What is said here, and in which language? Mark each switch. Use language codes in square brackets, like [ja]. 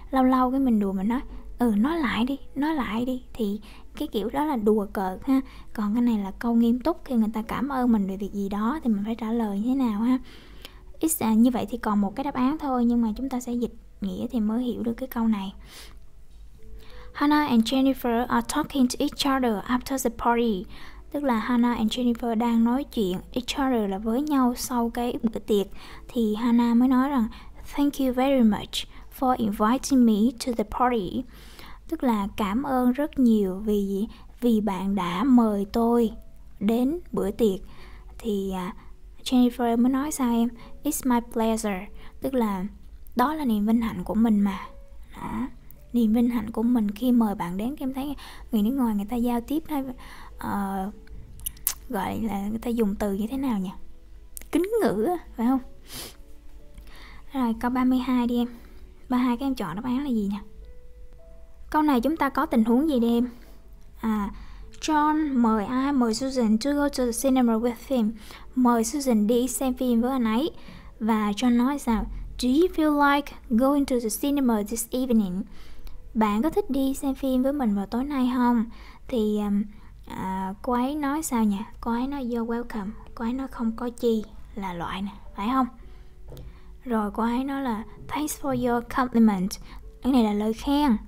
[vi] Lâu lâu cái mình đùa mình nói ừ nói lại đi, nói lại đi. Thì cái kiểu đó là đùa cợt ha. Còn cái này là câu nghiêm túc. Khi người ta cảm ơn mình về việc gì đó thì mình phải trả lời như thế nào ha. Như vậy thì còn một cái đáp án thôi, nhưng mà chúng ta sẽ dịch nghĩa thì mới hiểu được cái câu này. [en] Hannah and Jennifer are talking to each other after the party. [vi] Tức là Hannah and Jennifer đang nói chuyện [en] each other [vi] là với nhau sau cái bữa tiệc. Thì Hannah mới nói rằng [en] thank you very much for inviting me to the party. [vi] Tức là cảm ơn rất nhiều vì bạn đã mời tôi đến bữa tiệc. Thì Jennifer mới nói sao em? [en] It's my pleasure. [vi] Tức là đó là niềm vinh hạnh của mình mà. Đó. Niềm vinh hạnh của mình khi mời bạn đến. Em thấy người nước ngoài người ta giao tiếp hay gọi là người ta dùng từ như thế nào nhỉ? Kính ngữ, phải không? Rồi câu 32 đi em. 32 các em chọn đáp án là gì nhỉ? Câu này chúng ta có tình huống gì đi em? John mời ai? Mời [en] Susan to go to the cinema with him. [vi] Mời Susan đi xem phim với anh ấy. Và John nói sao? [en] Do you feel like going to the cinema this evening? [vi] Bạn có thích đi xem phim với mình vào tối nay không? Thì cô ấy nói sao nhỉ? Cô ấy nói [en] you're welcome. [vi] Cô ấy nói không có chi. Là loại nè, phải không? Rồi cô ấy nói là [en] thanks for your compliment. [vi] Cái này là lời khen.